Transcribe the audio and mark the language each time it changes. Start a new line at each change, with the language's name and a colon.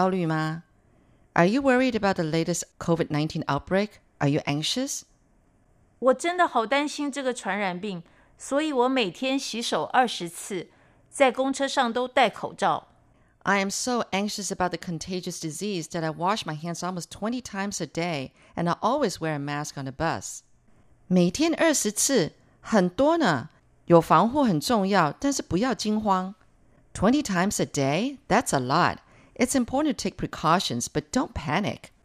English: Are you worried about the latest COVID-19 outbreak? Are you anxious?
Chinese: 我真的好担心这个传染病，所以我每天洗手20次，在公车上都戴口罩。
English: I am so anxious about the contagious disease that I wash my hands almost 20 times a day, and I always wear a mask on the bus.
Chinese: 每天20次，很多呢，有防护很重要，但是不要惊慌。
English: 20 times a day? That's a lot. It's important to take precautions, but don't panic.